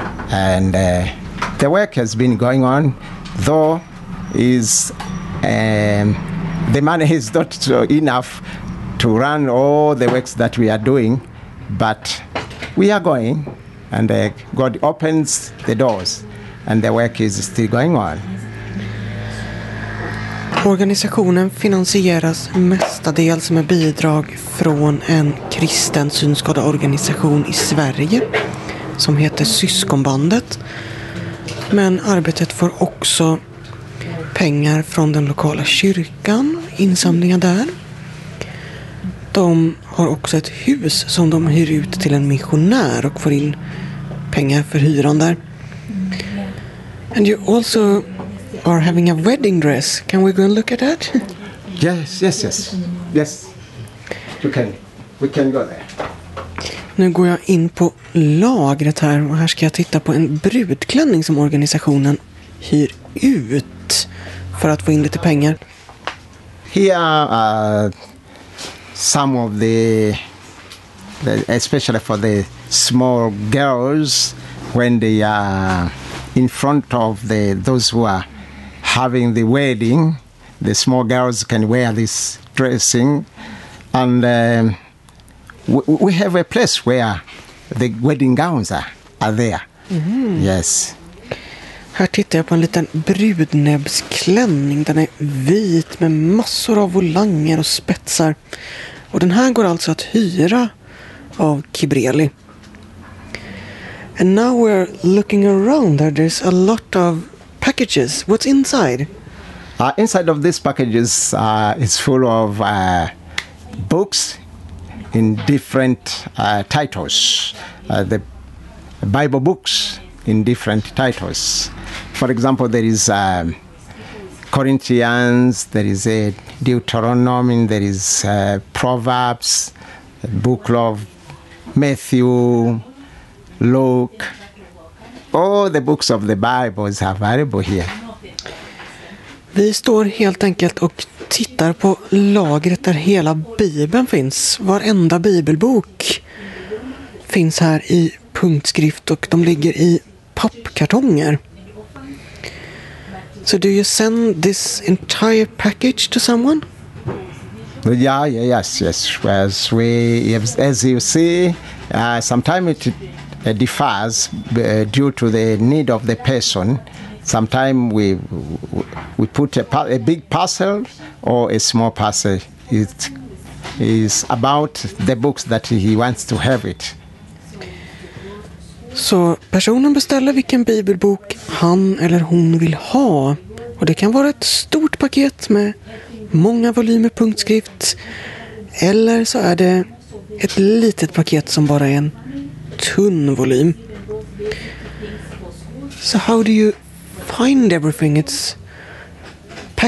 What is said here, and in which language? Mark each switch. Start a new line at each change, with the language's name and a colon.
English: And the work has been going on, though is the money is not enough to run all the works that we are doing, but we are going, and God opens the doors, and the work is still going on.
Swedish: Organisationen finansieras mestadels med bidrag från en kristen synskadad organisation i Sverige som heter Syskonbandet. Men arbetet får också pengar från den lokala kyrkan, insamlingar där. De har också ett hus som de hyr ut till en missionär och får in pengar för hyran där.
English: And you also are having a wedding dress. Can we go and look at that? Yes. Yes. You can. We can go there.
Swedish: Nu går jag in på lagret här och här ska jag titta på en brudklänning som organisationen hyr ut för att få in lite pengar.
English: Here some of the, especially for the small girls, when they are in front of those who are having the wedding, the small girls can wear this dressing. And we have a place where the wedding gowns are there. Mm-hmm. Yes.
Swedish: Här tittar jag på en liten brudnäbbsklänning. Den är vit med massor av volanger och spetsar. Och den här går alltså att hyra av Kibreli.
English: And now we're looking around there. There's a lot of packages. What's inside? Inside of these packages is full of books in different titles. The Bible books in different titles. For example, there is Corinthians, there is a Deuteronomy, there is Proverbs, Book of Matthew, Luke. All the books of the Bible is available here.
Swedish: Vi står helt enkelt och tittar på lagret där hela Bibeln finns. Varenda bibelbok finns här i punktskrift och de ligger i pappkartonger.
English: So do you send this entire package to someone? Yes. As you see, sometimes it differs due to the need of the person. Sometimes we put a big parcel or a small parcel. It is about the books that he wants to have it.
Swedish: Så personen beställer vilken bibelbok han eller hon vill ha. Och det kan vara ett stort paket med många volymer punktskrift. Eller så är det ett litet paket som bara är en tunn volym.
English: So how do you find everything? It's pa-